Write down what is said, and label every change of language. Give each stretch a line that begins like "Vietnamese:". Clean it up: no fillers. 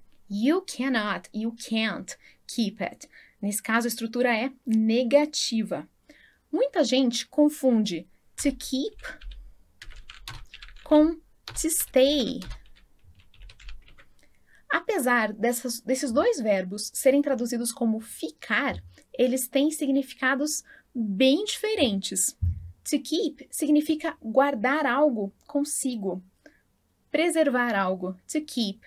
English: You cannot, you can't keep it.
Portuguese: Nesse caso, a estrutura é negativa. Muita gente confunde to keep com to stay. Apesar desses dois verbos serem traduzidos como ficar, eles têm significados bem diferentes. To keep significa guardar algo consigo, preservar algo. To keep.